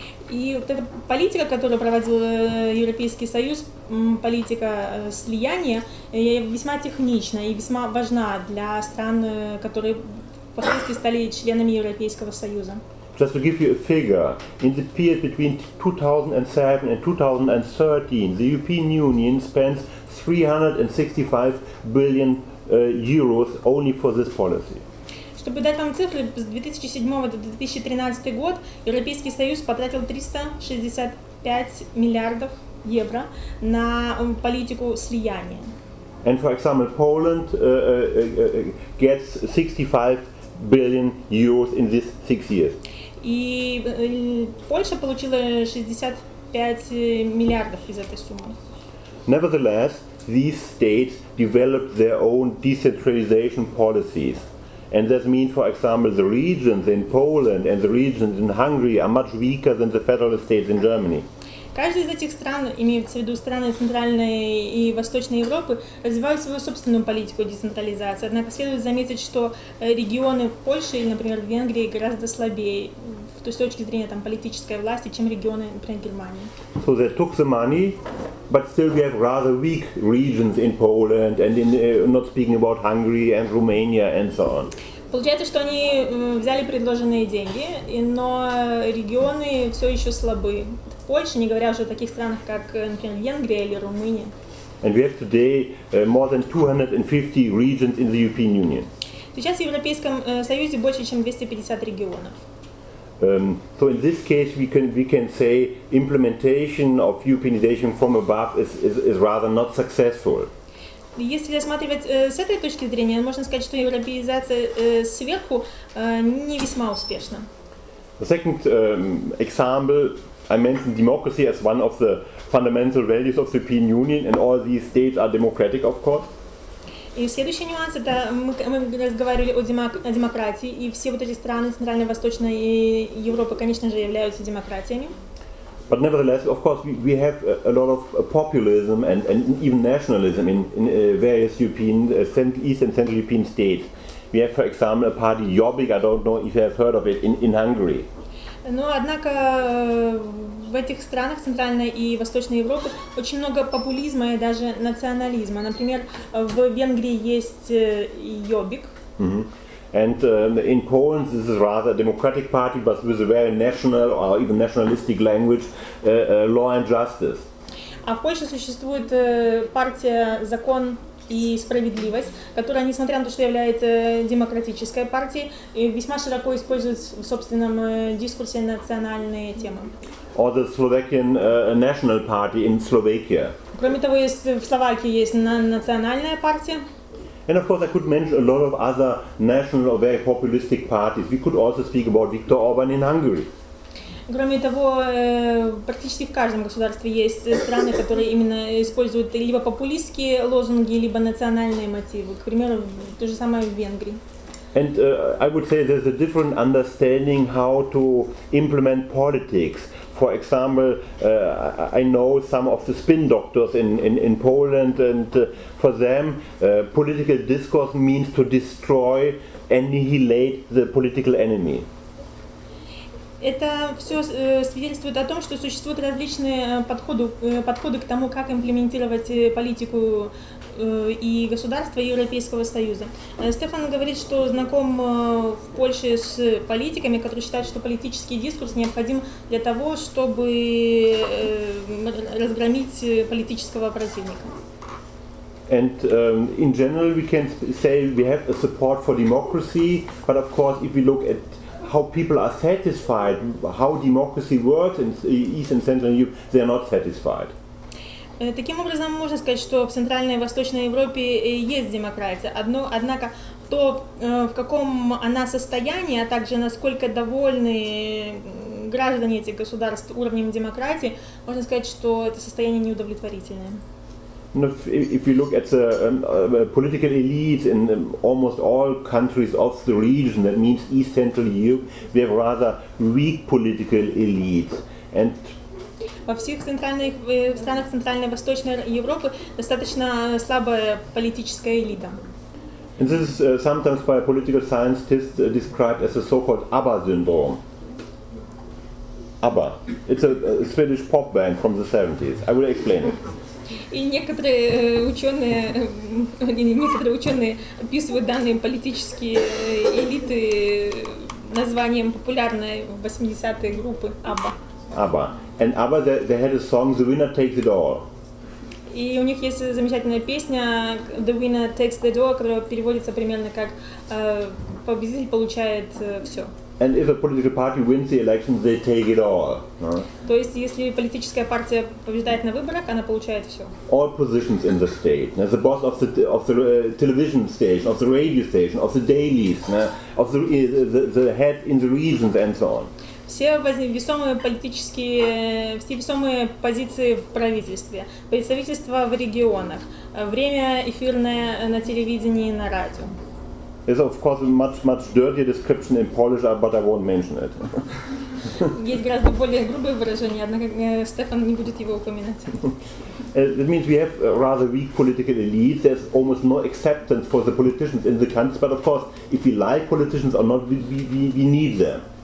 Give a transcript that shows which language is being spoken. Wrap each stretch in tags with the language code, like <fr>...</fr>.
<ru>И вот эта политика, которую проводил Европейский Союз, политика слияния, весьма технична и весьма важна для стран, которые впоследствии стали членами Европейского Союза.</ru> <en>Just to give you a figure, in the period between 2007 and 2013, the European Union spends 365 billion euros only for this policy.</en> <ru>Чтобы дать вам цифры, с 2007 до 2013 год Европейский Союз потратил 365 миллиардов евро на политику слияния.</ru> <en>And for example, Poland gets 65 billion euros in these 6 years.</en> <ru>И Польша получила 65 миллиардов из этой суммы.</ru> <en>Nevertheless, these states developed their own decentralization policies. And that means, for example, the regions in Poland and the regions in Hungary are much weaker than the federal states in Germany.</en> <ru>Каждая из этих стран, имеется в виду страны Центральной и Восточной Европы, развивают свою собственную политику децентрализации. Однако следует заметить, что регионы Польши или, например, Венгрии гораздо слабее, то есть с точки зрения там, политической власти, чем регионы, например, Германии.</ru> <en>So they took the money, but still we have rather weak regions in Poland and in, not speaking about Hungary and Romania and so on.</en> <ru>Получается, что они взяли предложенные деньги, но регионы все еще слабы. Польша, не говоря уже о таких странах, как, например, Венгрия или Румыния.</ru> <en>And we have today more than 250 regions in the European Union.</en> <ru>Сейчас в Европейском Союзе больше, чем 250 регионов.</ru> <en>So in this case we can say implementation of Europeanization from above is rather not successful.</en> <ru>Если рассматривать с этой точки зрения, можно сказать, что европеизация сверху не весьма успешна.</ru> <en>The second example, I mentioned democracy as one of the fundamental values of the European Union, and all these states are democratic, of course.</en> <ru>И следующий нюанс – это мы разговаривали о демократии, и все вот эти страны Центральной и Восточной Европы, конечно же, являются демократиями.</ru> <en>But nevertheless, of course, we have a lot of populism and even nationalism in various European, East and Central European states. We have, for example, a party Jobbik, I don't know if you have heard of it, in Hungary.</en> <ru>Но, однако, в этих странах Центральной и Восточной Европы очень много популизма и даже национализма. Например, в Венгрии есть Jobbik. Mm-hmm.</ru> <en>And in Poland this is rather a democratic party, but with a very national or even nationalistic language, law and justice.</en> <ru>А в Польше существует партия «Закон и справедливость», которая, несмотря на то, что является демократической партией, весьма широко использует в собственном дискурсе национальные темы.</ru> <en>Or the Slovakian National Party in Slovakia.</en> <ru>Кроме того, есть в Словакии есть национальная партия.</ru> <en>And of course, I could mention a lot of other national or very populistic parties. We could also speak about Viktor Orban in Hungary.</en> <ru>Кроме того, практически в каждом государстве есть страны, которые именно используют либо популистские лозунги, либо национальные мотивы. К примеру, то же самое в Венгрии.</ru> <en>And I would say there's a different understanding how to implement politics. For example, I know some of the spin doctors in Poland, and for them, political discourse means to destroy, annihilate the political enemy.</en> <ru>Это все свидетельствует о том, что существуют различные подходы к тому, как имплементировать политику и государства Европейского Союза. Стефан говорит, что знаком в Польше с политиками, которые считают, что политический дискурс необходим для того, чтобы разгромить политического противника.</ru> <en>And in general, we can say we have a support for democracy, but of course, if we look at how people are satisfied, how democracy works in East and Central Europe, they are not satisfied.</en> <ru>Таким образом, можно сказать, что в Центральной и Восточной Европе есть демократия. Однако то, в каком она состоянии, а также насколько довольны граждане этих государств уровнем демократии, можно сказать, что это состояние неудовлетворительное.</ru> <en>If you look at the political elites in almost all countries of the region, that means East Central Europe, we have rather weak political elites. And</en> <ru>во всех центральных странах Центральной и Восточной Европы достаточно слабая политическая элита.</ru> <en>And this is sometimes by a political scientist described as a so-called ABBA syndrome. ABBA. It's a Swedish pop band from the 70s. I will explain it.</en> <ru>И некоторые ученые описывают данные политические элиты названием популярной в 80-е группы ABBA.</ru> <en>ABBA. And ABBA, they had a song "The Winner Takes It All".</en> <ru>И у них есть замечательная песня "The Winner Takes It All", которая переводится примерно как "Победитель получает все".</ru> <en>And if a political party wins the election, they take it all.</en> <ru>То есть, если политическая партия побеждает на выборах, она получает все.</ru> <en>All positions in the state. The boss of the television station, of the radio station, of the dailies, of the head in the regions and so on.</en> <ru>Все весомые политические, все весомые позиции в правительстве, представительства в регионах, время эфирное на телевидении и на радио.</ru> <en>It's of course a much, much dirtier description in Polish, but I won't mention it.</en> <ru>Есть гораздо более грубое выражение, однако Стефан не будет его упоминать.</ru> <en>It means we have a rather weak political elite. There's almost no acceptance for the politicians in the country, but of course, if we like politicians or not, we need them.</en>